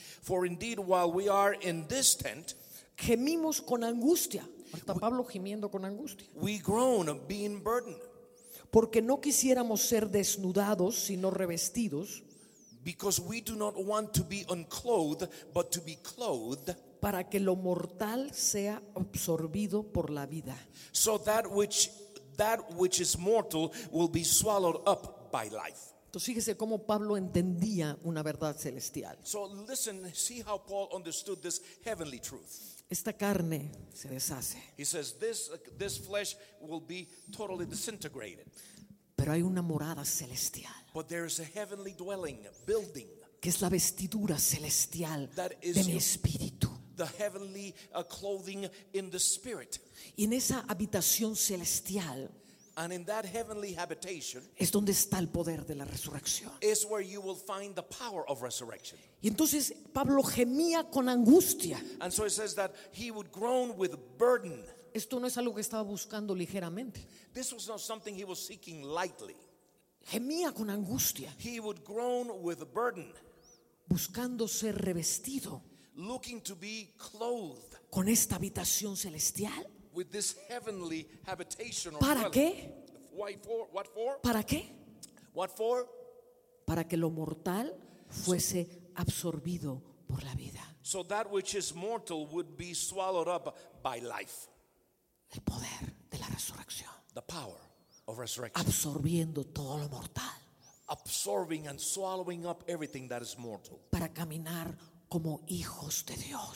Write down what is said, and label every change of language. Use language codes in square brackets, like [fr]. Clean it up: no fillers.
[en] for indeed while we are in this tent, [es] gemimos con angustia. Hasta Pablo gimiendo con angustia. [en] We groan of being burdened. [es] Porque no quisiéramos ser desnudados, sino revestidos. [en] Because we do not want to be unclothed, but to be clothed. [es] Para que lo mortal sea absorbido por la vida. [en] So that which is mortal will be swallowed up by life. [es] Entonces fíjese cómo Pablo entendía una verdad celestial. [en] So listen, see how Paul understood this heavenly truth. [es] Esta carne se deshace. [en] He says this flesh will be totally disintegrated. [es] Pero hay una morada celestial. [en] But there is a heavenly dwelling, building. [es] Que es la vestidura celestial de mi espíritu. [en] The heavenly clothing in the spirit. [es] Y en esa habitación celestial. [en] And in that heavenly habitation, [es] es donde está el poder de la resurrección. [en] Is where you will find the power of resurrection. [es] Y entonces Pablo gemía con angustia. [en] And so it says that he would groan with burden. [es] Esto no es algo que estaba buscando ligeramente. [en] This was not something he was seeking lightly. [es] Gemía con angustia. [en] He would groan with burden. [es] Buscando ser revestido. [en] Looking to be clothed. [es] Con esta habitación celestial. [en] With this heavenly habitation or [es] ¿para qué? [en] Why for? What for? [es] ¿Para qué? [en] What for? [es] Para que lo mortal fuese absorbido por la vida. [en] So that which is mortal would be swallowed up by life. [es] El poder de la resurrección. [en] The power of resurrection. [es] Absorbiendo todo lo mortal. [en] Absorbing and swallowing up everything that is mortal. [es] Para caminar como hijos de Dios.